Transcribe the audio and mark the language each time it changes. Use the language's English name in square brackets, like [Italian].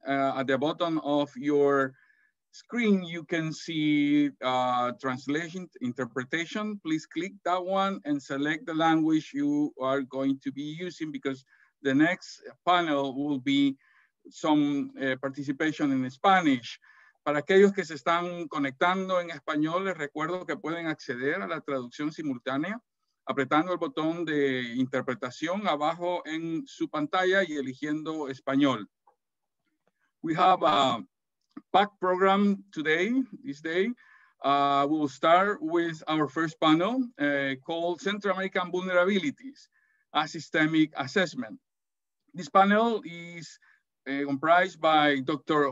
[English] At the bottom of your screen, you can see translation interpretation. Please click that one and select the language you are going to be using, because the next panel will be some participation in Spanish. [Spanish] Para aquellos que se están conectando en español, les recuerdo que pueden acceder a la traducción simultánea apretando el botón de interpretación abajo en su pantalla y eligiendo español. [English] We have a packed program today, this day. We'll start with our first panel called Central American Vulnerabilities, a Systemic Assessment. This panel is comprised by Dr.